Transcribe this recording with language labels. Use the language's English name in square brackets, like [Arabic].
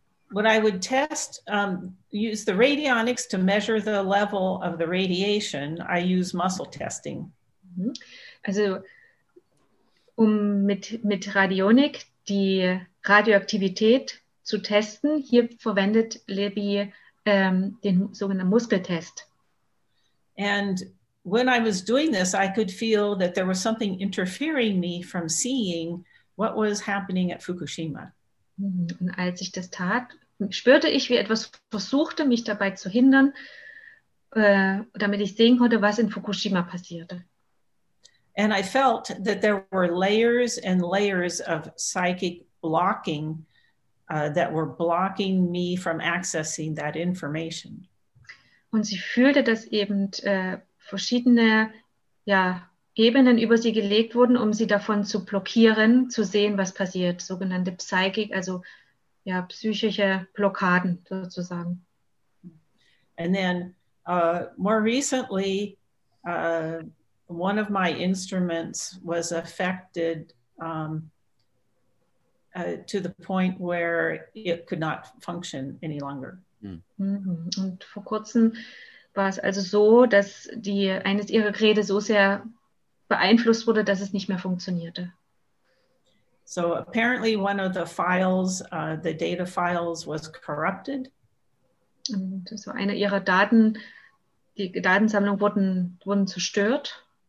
[English] What I would test, use the radionics to measure the level of the radiation, I use muscle testing. [German] Also, um mit Radionik die Radioaktivität zu testen, hier verwendet Libby den sogenannten Muskeltest. [English] And when I was doing this, I could feel that there was something interfering me from seeing what was happening at Fukushima. [German] Und als ich das tat, spürte ich, wie etwas versuchte, mich dabei zu hindern, damit ich sehen konnte, was in Fukushima passierte. [English] And I felt that there were layers and layers of psychic blocking that were blocking me from accessing that information. [German] Und sie fühlte, dass eben verschiedene Ebenen über sie gelegt wurden, um sie davon zu blockieren, zu sehen, was passiert. Sogenannte psychic, also psychische Blockaden sozusagen. [English] And then more recently, one of my instruments was affected to the point where it could not function any longer. Mm-hmm. [German] Und vor kurzem war es also so, dass eines ihrer Geräte so sehr beeinflusst wurde, dass es nicht mehr funktionierte. [English] So apparently one of the files, the data files was corrupted. [German] Und so eine ihrer Daten, die Datensammlung wurden zerstört.